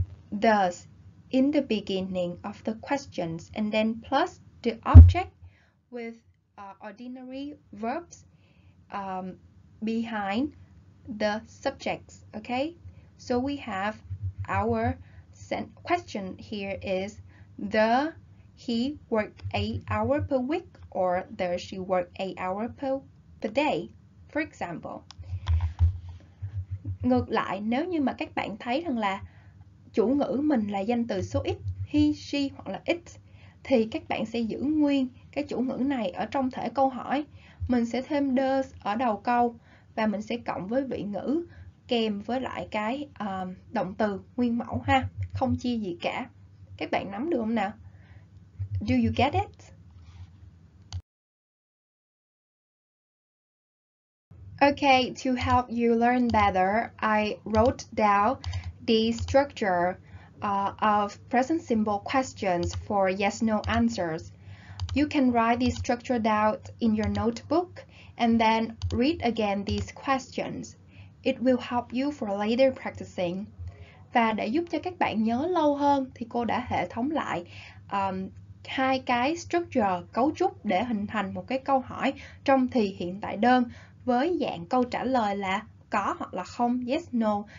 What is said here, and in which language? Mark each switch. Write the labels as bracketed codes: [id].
[en] the in the beginning of the questions, and then plus the object with ordinary verbs behind the subjects. Okay, so we have our question here is the he worked 8 hours per week or the she worked 8 hours per day, for example. [vi] Ngược lại, nếu như mà các bạn thấy rằng là chủ ngữ mình là danh từ số ít, he, she hoặc là it, thì các bạn sẽ giữ nguyên cái chủ ngữ này ở trong thể câu hỏi. Mình sẽ thêm does ở đầu câu và mình sẽ cộng với vị ngữ kèm với lại cái động từ nguyên mẫu ha, không chia gì cả. Các bạn nắm được không nào? [en] Do you get it? Okay, to help you learn better, I wrote down the structure of present simple questions for yes-no answers. You can write this structure down in your notebook and then read again these questions. It will help you for later practicing. [vi] Và để giúp cho các bạn nhớ lâu hơn thì cô đã hệ thống lại hai cái structure cấu trúc để hình thành một cái câu hỏi trong thì hiện tại đơn với dạng câu trả lời là có hoặc là không, yes, no.